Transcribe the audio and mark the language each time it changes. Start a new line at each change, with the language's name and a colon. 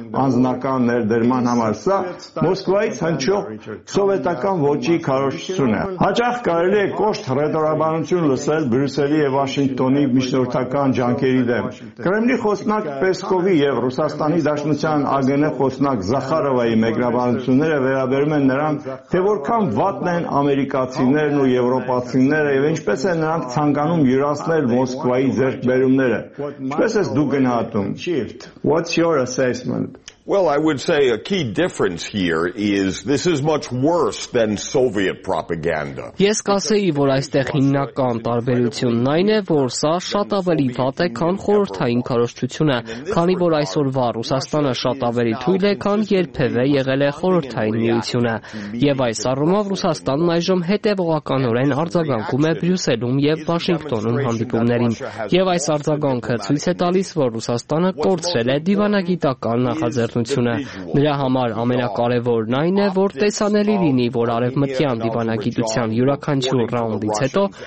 Armenian: անձնական ներդրման համար, սա Մոսկվայից հնչող սովետական ոճի քարոշցություն է։ Հաճախ կարելի է կոշտ ռետորաբանություն լսել Բրյուսելի և Վաշինգտոնի միջնորդական ջանքերի դեմ։ Կրեմլի խոսնակ Պեսկովի և Ռուսաստանի Դաշնության ԱԳՆ խոսնակ Զախարովայի մեկնաբանությունները վերաբերում են նրան, թե որքան վատն են ամերիկացիներն ու եվրոպացիները և ինչպես են նրանք ցանկանում յուրացնել Մոսկվայի ձեռքբերումները։ Ինչպես ես դու գնահատում?
English: What's your assessment? Well, I would say a key difference here is this is much worse than Soviet propaganda.
Armenian: Ես կասեի, որ այստեղ հիմնական տարբերությունն այն է, որ սա շատ ավելի վատ է, քան խորհրդային քարոշչությունը, քանի որ այսօրվա Ռուսաստանը շատ ավելի թույլ է, քան երբևէ եղել է խորհրդային միությունը, եւ այս առումով Ռուսաստանն այժմ հետևողականորեն արձագանքում է Բրյուսելում եւ Վաշինգտոնում հանդիպումներին, եւ այս արձագանքը ցույց է տալիս, որ Ռուսաստանը կորցրել է դիվանագիտական նախագահ ձեռնությունը։ Նրա համար ամենակարևորն այն է, որ տեսանելի լինի, որ արևմտյան դիվանագիտության յուրաքանչյուր ռաունդից հետո